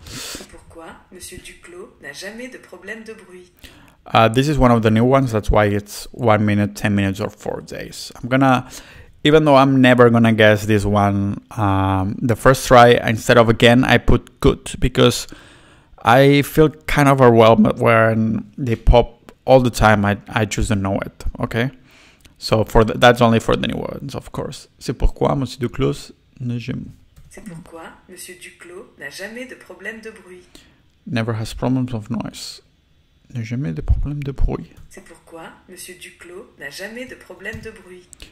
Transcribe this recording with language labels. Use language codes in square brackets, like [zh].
[fr] C'est pourquoi, Monsieur Duclos n'a jamais de problème de bruit. [en] This is one of the new ones, that's why it's 1 minute, 10 minutes, or 4 days. I'm gonna, even though I'm never gonna guess this one, the first try, instead of again, I put good, because I feel kind of overwhelmed when they pop all the time, I just don't know it, okay? So for the, that's only for the new ones, of course. [fr] C'est pourquoi Monsieur Duclos n'a jamais de problème de bruit. [en] Never has problems of noise. [fr] N'a jamais de problème de bruit. C'est pourquoi Monsieur Duclos n'a jamais de problème de bruit.